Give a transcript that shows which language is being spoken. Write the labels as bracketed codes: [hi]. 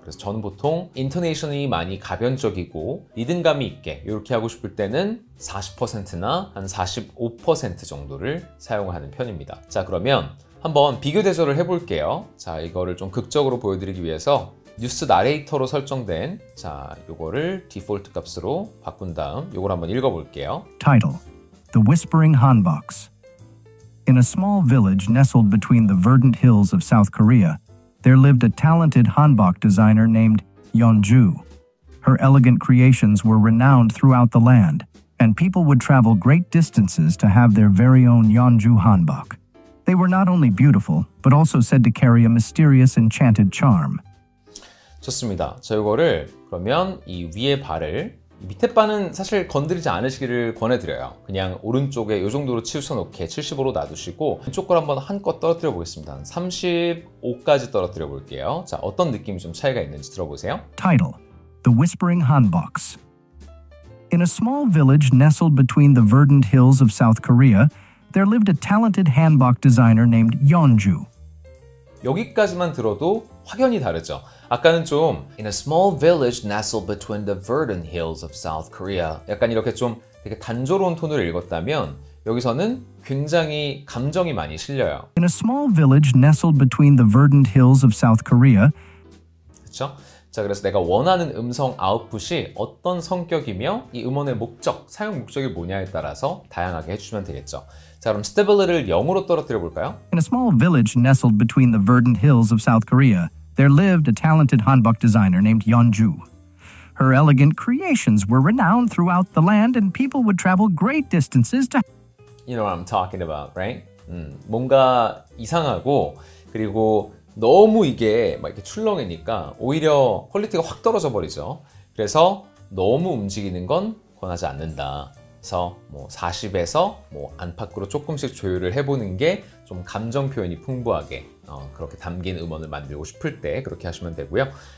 [ko] 그래서 저는 보통 인터네이션이 많이 가변적이고 리듬감이 있게 이렇게 하고 싶을 때는 40%나 한 45% 정도를 사용하는 편입니다. 자, 그러면 한번 비교 대조를 해볼게요. 자, 이거를 좀 극적으로 보여드리기 위해서 뉴스 나레이터로 설정된 자, 이거를 디폴트 값으로 바꾼 다음 이걸 한번 읽어볼게요. [en] Title: The Whispering Hanbox. In a small village nestled between the verdant hills of South Korea, there lived a talented hanbok designer named Yeonju. Her elegant creations were renowned throughout the land, and people would travel great distances to have their very own Yeonju hanbok. They were not only beautiful, but also said to carry a mysterious enchanted charm. [ko] 좋습니다. 저 이거를 그러면 이 위에 발을 밑에 바는 사실 건드리지 않으시기를 권해드려요. 그냥 오른쪽에 이 정도로 치우쳐놓게 75로 놔두시고 왼쪽 걸 한번 한껏 떨어뜨려 보겠습니다. 35까지 떨어뜨려 볼게요. 자, 어떤 느낌이 좀 차이가 있는지 들어보세요. [en] Title: The Whispering Hanbok. In a small village nestled between the verdant hills of South Korea, there lived a talented hanbok designer named Yeonju. [ko] 여기까지만 들어도 확연히 다르죠. 아까는 좀 [en] In a small village nestled between the verdant hills of South Korea [ko] 약간 이렇게 좀 되게 단조로운 톤으로 읽었다면 여기서는 굉장히 감정이 많이 실려요. [en] In a small village nestled between the verdant hills of South Korea [ko] 그쵸? 자, 그래서 내가 원하는 음성 아웃풋이 어떤 성격이며 이 음원의 목적, 사용 목적이 뭐냐에 따라서 다양하게 해주시면 되겠죠. 자, 그럼 stability를 0으로 떨어뜨려 볼까요? [en] In a small village nestled between the verdant hills of South Korea There lived a talented hanbok designer named Yeonju. Her elegant creations were renowned throughout the land and people would travel great distances to... You know what I'm talking about, right? [ko] 뭔가 이상하고 그리고 너무 이게 막 이렇게 출렁이니까 오히려 퀄리티가 확 떨어져 버리죠. 그래서 너무 움직이는 건 권하지 않는다. 그래서 뭐 40에서 뭐 안팎으로 조금씩 조율을 해보는 게 좀 감정 표현이 풍부하게 그렇게 담긴 음원을 만들고 싶을 때 그렇게 하시면 되고요.